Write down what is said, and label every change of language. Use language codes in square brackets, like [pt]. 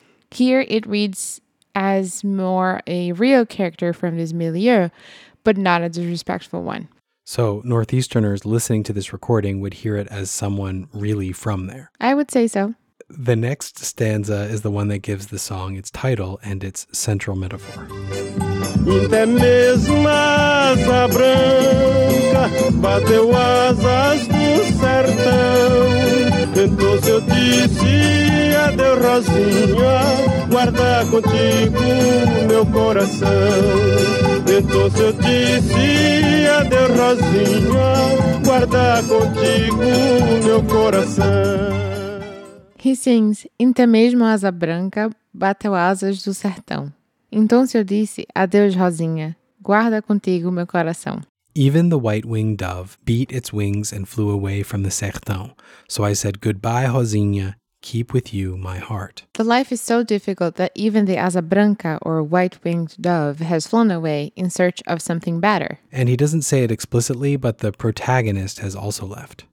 [en] Here it reads as more a Rio character from this milieu, but not a disrespectful one. So Northeasterners listening to this recording would hear it as someone really from there. I would say so. The next stanza is the one that gives the song its title and its central metaphor. [pt] Até mesmo a asa branca bateu asas no sertão. Então se eu disse adeus, Rosinha, guarda contigo meu coração. Então se eu disse adeus, Rosinha, guarda contigo meu coração. [en] He sings, [pt] Inte mesmo asa branca bateu asas do sertão. Então se eu disse, adeus, Rosinha, guarda contigo meu coração. [en] Even the white-winged dove beat its wings and flew away from the sertão. So I said, goodbye, Rosinha, keep with you my heart. The life is so difficult that even the asa branca, or white-winged dove, has flown away in search of something better. And he doesn't say it explicitly, but the protagonist has also left.